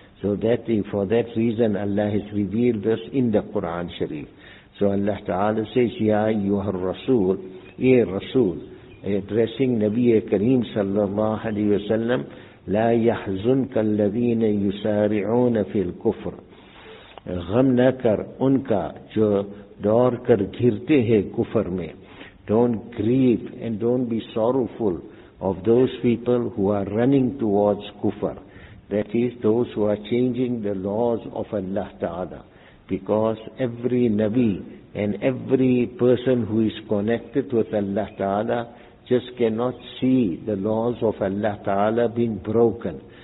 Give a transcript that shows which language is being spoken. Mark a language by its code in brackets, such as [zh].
[en] So that for that reason Allah has revealed this in the Quran Sharif. So Allah Ta'ala says, [ar] Ya ayyuha ar-rasul, Ya Rasul, [en] addressing Nabi Kareem sallallahu alayhi wa sallam, [ar] لا يحزنك الذين يسارعون في الكفر. [ur] غم نہ کر ان کا جو دور کر گھرتے ہیں کفر میں. [en] Don't grieve and don't be sorrowful of those people who are running towards kufr. That is, those who are changing the laws of Allah Ta'ala. Because every Nabi and every person who is connected with Allah Ta'ala just cannot see the laws of Allah Ta'ala being broken.